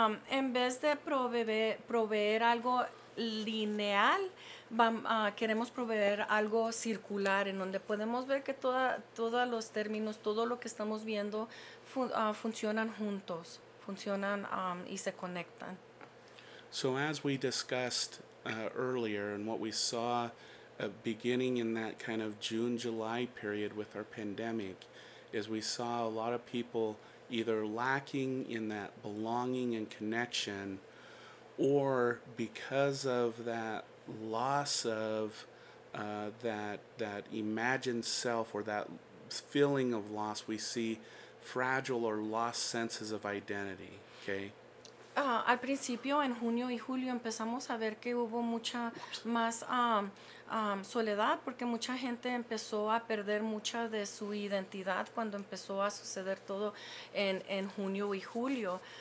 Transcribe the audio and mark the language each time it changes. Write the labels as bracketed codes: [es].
[es] en vez de proveer algo lineal, queremos proveer algo circular, en donde podemos ver que todos los términos, todo lo que estamos viendo, funcionan juntos, funcionan y se conectan. [en] So as we discussed earlier, and what we saw beginning in that kind of June-July period with our pandemic, is we saw a lot of people either lacking in that belonging and connection, or because of that loss of that imagined self or that feeling of loss, we see fragile or lost senses of identity, okay? [es] Al principio, en junio y julio, empezamos a ver que hubo mucha más soledad, porque mucha gente empezó a perder mucha de su identidad cuando empezó a suceder todo en junio y julio.